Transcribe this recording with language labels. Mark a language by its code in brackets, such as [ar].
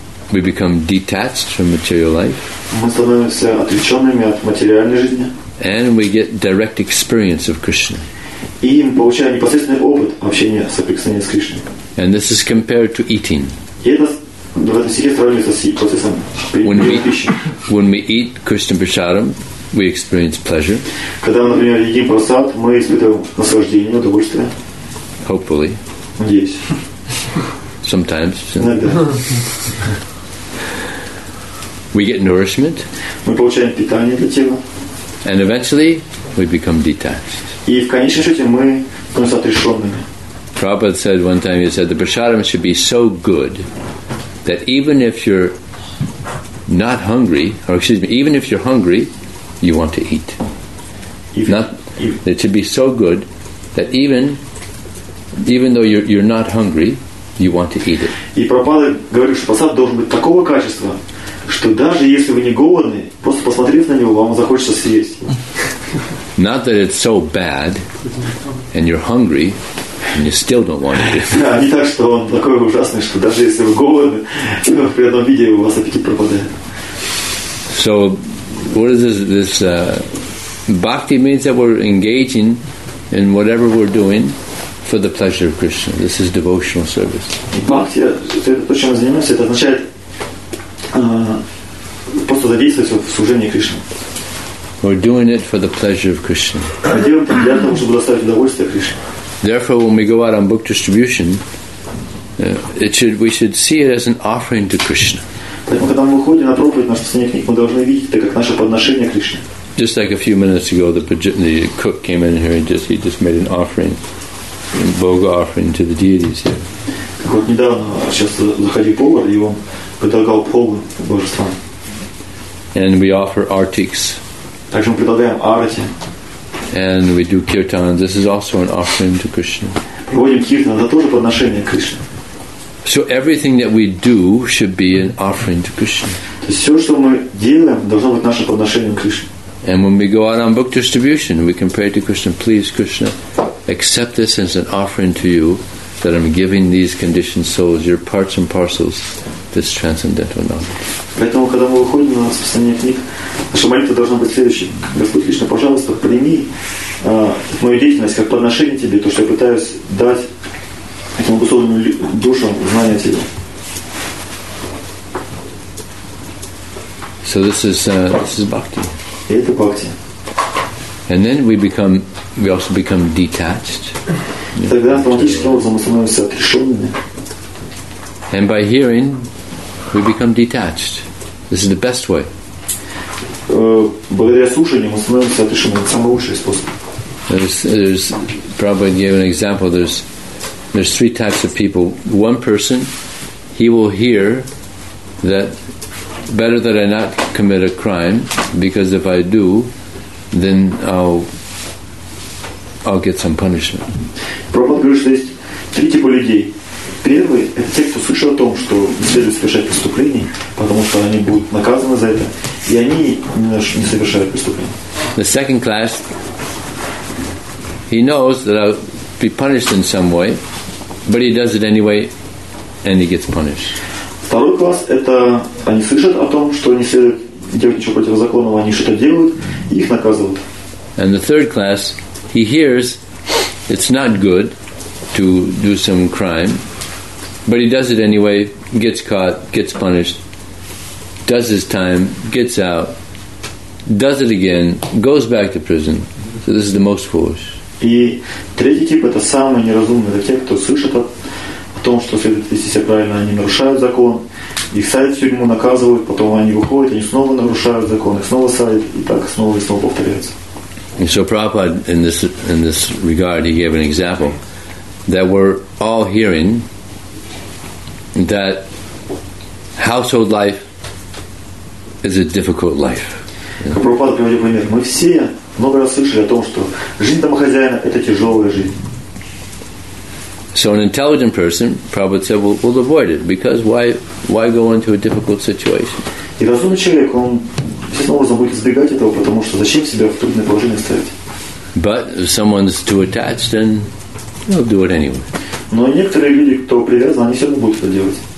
[en] We become detached from material life. [ru] Мы становимся отвлеченными от материальной жизни. [en] And we get direct experience of Krishna. [ru] И мы получаем непосредственный опыт общения, соприкосновения с Кришной. [en] And this is compared to eating. [ru] В этом стихе сравнивается с процессом приема пищи. [en] When we eat Krishna prasadam, we experience pleasure. [ru] Когда, например, едим просад, мы испытываем наслаждение, удовольствие. [en] Hopefully. Yes. Sometimes. [ru] Иногда. [en] We get nourishment. [ru] Мы получаем питание для тела. [en] And eventually, we become detached. [ru] И в конечном счете мы становимся отрешенными. [en] Prabhupada said one time, he said, the prasadam should be so good that even if you're not hungry, or excuse me, even if you're hungry, you want to eat. It should be so good that even though you're not hungry, you want to eat it. [ru] И Прабхупада говорит, что посад должен быть такого качества, что даже если вы не голодны, просто посмотрев на него, вам захочется съесть. [en] Not that it's so bad and you're hungry and you still don't want to eat it. [ru] Не так, что он такой ужасный, что даже если вы голодны, при одном виде у вас аппетит пропадает. [en] So what is this? Bhakti means that we're engaging in whatever we're doing for the pleasure of Krishna. This is devotional service. [ru] Бхакти, то, чем мы занимаемся, это означает просто задействовать в служении Кришне. [en] We're doing it for the pleasure of Krishna. [ru] Мы делаем это для того, чтобы доставить удовольствие Кришне. [en] Therefore, when we go out on book distribution, we should see it as an offering to Krishna. [ru] Когда мы выходим на проповедь, наш последний книг, мы должны видеть это как наше подношение к Кришне. [en] Just like a few minutes ago, the cook came in here and he just made an offering, a boga offering to the deities here. [ru] Вот недавно сейчас заходил повар, и он предлагал Богу божества. [en] And we offer artiks. [ru] Так что мы предлагаем арти. [en] And we do kirtan. This is also an offering to Krishna. [ru] Проводим киртан, это тоже подношение Кришне. [en] So everything that we do should be an offering to Krishna. [ru] То есть все, что мы делаем, должно быть нашим подношением Кришне. [en] And when we go out on book distribution, we can pray to Krishna, please, Krishna, accept this as an offering to you, that I'm giving these conditioned souls, your parts and parcels, this transcendental knowledge. [ru] Поэтому, когда мы выходим на распространение книг, наша молитва должна быть следующей. Господь Кришна, пожалуйста, прими мою деятельность как подношение тебе, то, что я пытаюсь дать этим обусловленным душам знание тебе. [en] So this is bhakti. [ru] Это бхакти. [en] And then we also become detached. [ru] Тогда автоматически образом мы становимся отрешенными. [en] And by hearing, we become detached. This is the best way. [ru] Благодаря слушанию мы становимся отрешенными. Это самый лучший способ. [en] There's probably give an example. There's three types of people. One person, he will hear that better that I not commit a crime, because if I do, then I'll get some punishment. [ru] Прабхупад говорит, что есть три типа людей. Первый – это те, кто слышал о том, что не следует совершать преступление, потому что они будут наказаны за это, и они не совершают преступление. [en] The second class, he knows that I'll be punished in some way, but he does it anyway, and he gets punished. [ru] Второй класс – это они слышат о том, что не следует делать ничего противозаконного, они что-то делают, и их наказывают. [en] And the third class, he hears it's not good to do some crime, but he does it anyway, gets caught, gets punished, does his time, gets out, does it again, goes back to prison. So this is the most foolish. [ru] И третий тип – это самый неразумный, это те, кто слышит о том, что следует вести себя правильно, они нарушают закон, их садят в тюрьму, наказывают, потом они выходят, они снова нарушают закон, их снова садят, и так снова и снова повторяется. [en] And so Prabhupada, in this regard, he gave an example that we're all hearing that household life is a difficult life. [ru] Прабхупада приводит пример. Мы все много раз слышали о том, что жизнь домохозяина – это тяжелая жизнь. [en] So an intelligent person, Prabhupada said, will avoid it, because why go into a difficult situation? [ru] И разумный человек, он естественно образом будет избегать этого, потому что зачем себя в трудное положение ставить? [en] But if someone's too attached, then they'll do it anyway. [ru] Но некоторые люди, кто привязан, они все равно будут это делать.